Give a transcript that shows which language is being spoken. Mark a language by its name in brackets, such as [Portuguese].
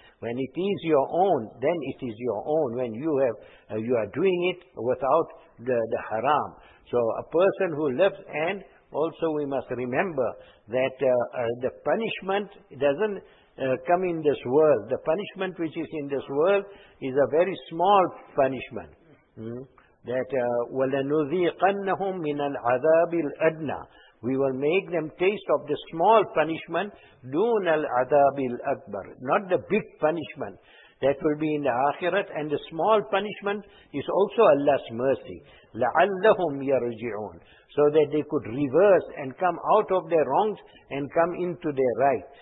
[English] When it is your own, then it is your own. When you have, you are doing it without the haram. So a person who lives, and also we must remember that the punishment doesn't come in this world. The punishment which is in this world is a very small punishment. That [Arabic] وَلَنُذِيقَنَّهُمْ مِنَ الْعَذَابِ الْأَدْنَى. [English] We will make them taste of the small punishment, [Arabic] دون العذاب الأكبر, [English] not the big punishment. That will be in the Akhirat, and the small punishment is also Allah's mercy. [Arabic] لَعَلَّهُمْ يَرْجِعُونَ. [English] So that they could reverse and come out of their wrongs and come into their right.